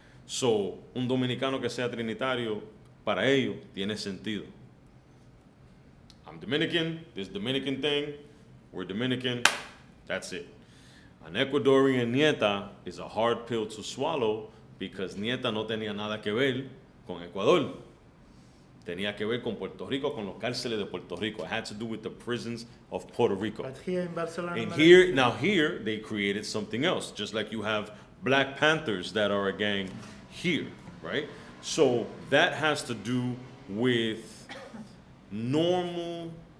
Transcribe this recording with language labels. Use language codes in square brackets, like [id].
[es] So, un Dominicano que sea Trinitario, para ello, tiene sentido. [en] I'm Dominican, this Dominican thing, we're Dominican, that's it. An Ecuadorian nieta is a hard pill to swallow because nieta [es] no tenía nada que ver con Ecuador. Tenía que ver con Puerto Rico, con los cárceles de Puerto Rico. [en] It had to do with the prisons of Puerto Rico. But here in Barcelona. And here, now here, they created something else. Just like you have Black Panthers that are a gang here, right? So that has to do with normal.